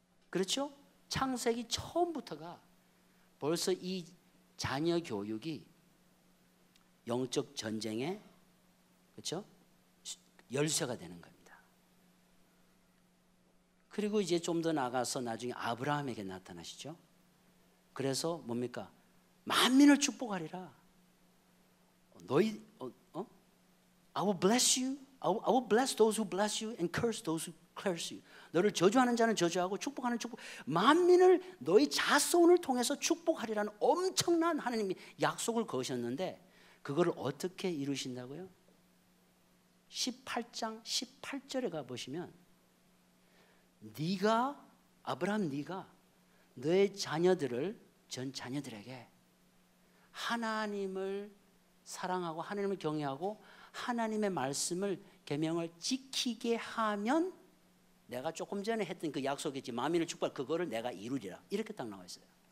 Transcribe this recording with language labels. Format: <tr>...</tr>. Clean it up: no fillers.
<ko>그렇죠? 창세기 처음부터가 벌써 이 자녀 교육이 영적 전쟁의 그렇죠? 열쇠가 되는 겁니다. 그리고 이제 좀 더 나가서 나중에 아브라함에게 나타나시죠. 그래서 뭡니까? 만민을 축복하리라. 너희</ko> <en>I will bless those who bless you and curse those who curse you.</en> <ko>너를 저주하는 자는 저주하고 축복하는 축복 만민을 너희 자손을 통해서 축복하리라는 엄청난 하나님이 약속을 거셨는데 그거를 어떻게 이루신다고요? 18장 18절에 가보시면 네가 아브라함 네가 너의 자녀들을 전 자녀들에게 하나님을 사랑하고 하나님을 경외하고 하나님의 말씀을 계명을 지키게 하면 내가 조금 전에 했던 그 약속이지 만민을 축복할 그거를 내가 이루리라 이렇게 딱 나와 있어요.</ko>